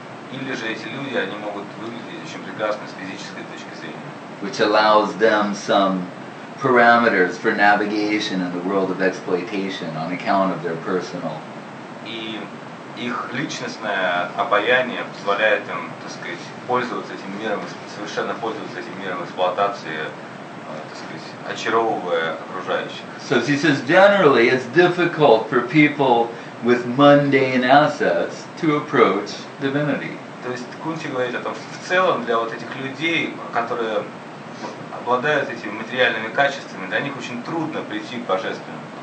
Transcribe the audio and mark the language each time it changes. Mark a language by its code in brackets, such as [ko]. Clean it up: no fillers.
[ru] Или же эти люди, они могут выглядеть очень прекрасно с физической точки зрения. [en] Which allows them some parameters for navigation in the world of exploitation on account of their personal. [ru] И их личностное обаяние позволяет им, так сказать, пользоваться этим миром, совершенно пользоваться этим миром эксплуатации, так сказать, очаровывая окружающих. [en] So she says, generally, it's difficult for people with mundane assets to approach divinity. [ru] То есть Кунти говорит о том, что в целом для вот этих людей, которые обладают этими материальными качествами, для них очень трудно прийти к божественному.